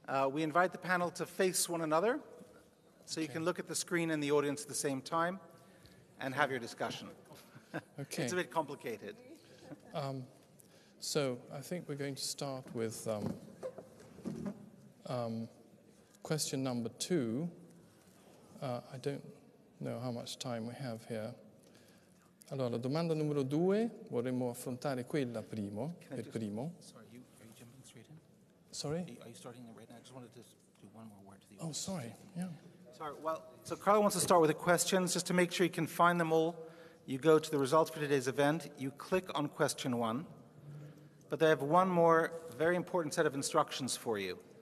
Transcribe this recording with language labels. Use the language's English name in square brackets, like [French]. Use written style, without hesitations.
[English] We invite the panel to face one another so you can look at the screen and the audience at the same time and have your discussion. Okay. It's a bit complicated. So I think we're going to start with question number two. I don't know how much time we have here. [Italian] Allora, domanda numero due, vorremmo affrontare quella primo, primo. [English] Sorry, are you jumping straight in? Sorry? Are you starting right now? I just wanted to do one more word to the audience. Oh, sorry, yeah. Sorry, well, so Carla wants to start with the questions. Just to make sure you can find them all, you go to the results for today's event, you click on question one, but they have one more very important set of instructions for you.